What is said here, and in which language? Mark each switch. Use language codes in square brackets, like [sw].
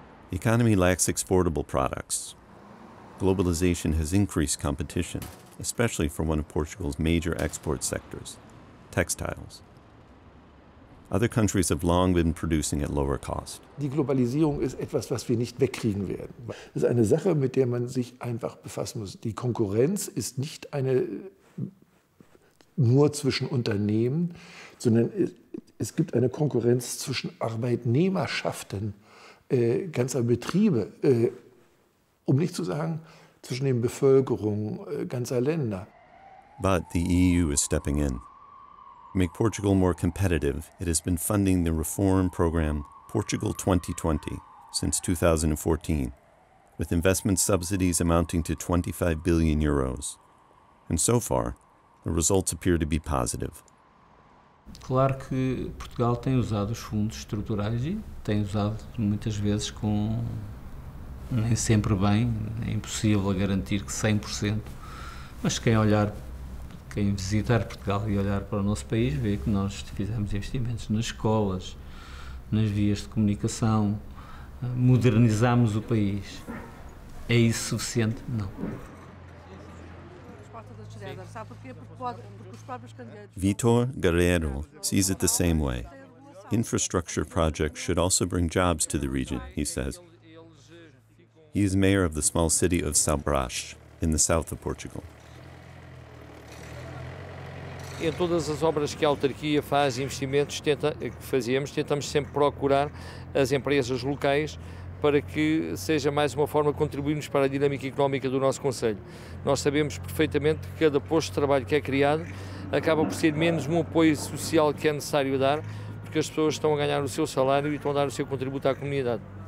[en] The economy lacks exportable products. Globalization has increased competition, especially for one of Portugal's major export sectors, textiles. Other countries have long been producing at lower cost. [de] Die Globalisierung ist etwas, was wir nicht wegkriegen werden. Es ist eine Sache, mit der man sich einfach befassen muss. Die Konkurrenz ist nicht eine nur zwischen Unternehmen, sondern es gibt eine Konkurrenz zwischen Arbeitnehmerschaften, ganzer Betriebe, um nicht zu sagen, zwischen den Bevölkerungen ganzer Länder. [en] But the EU is stepping in. To make Portugal more competitive, it has been funding the reform program Portugal 2020 since 2014, with investment subsidies amounting to 25 billion euros. And so far, the results appear to be positive. [pt] Claro que Portugal tem usado os fundos estruturais e tem usado muitas vezes com nem sempre bem, é impossível garantir que 100%, mas quem olhar, quem visitar Portugal e olhar para o nosso país vê que nós fizemos investimentos nas escolas, nas vias de comunicação, modernizamos o país. É isso suficiente? Não. [en] Vitor Guerreiro sees it the same way. Infrastructure projects should also bring jobs to the region, he says. He is mayor of the small city of Sabrás, in the south of Portugal. [pt] Em todas as obras que a autarquia faz, investimentos que fazemos, tentamos sempre procurar as empresas locais para que seja mais uma forma de contribuirmos para a dinâmica económica do nosso concelho. Nós sabemos perfeitamente que cada posto de trabalho que é criado acaba por ser menos um apoio social que é necessário dar, porque as pessoas estão a ganhar o seu salário e estão a dar o seu contributo à comunidade.